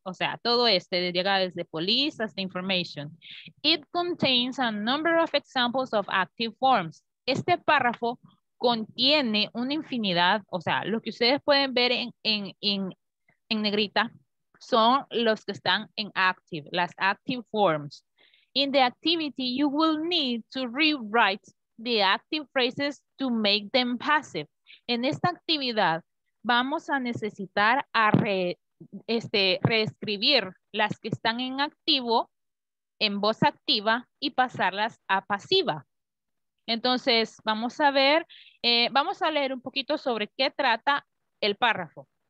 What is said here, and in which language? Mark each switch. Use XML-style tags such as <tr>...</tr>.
<es>O sea, todo este llega desde police hasta information.</es> <en>It contains a number of examples of active forms.</en> <es>Este párrafo contiene una infinidad, o sea, lo que ustedes pueden ver en negrita son los que están en active, las active forms.</es> <en>In the activity, you will need to rewrite the active phrases to make them passive.</en> <es>En esta actividad, vamos a necesitar a reescribir las que están en activo, en voz activa y pasarlas a pasiva. Entonces, vamos a ver, vamos a leer un poquito sobre qué trata el párrafo.</es>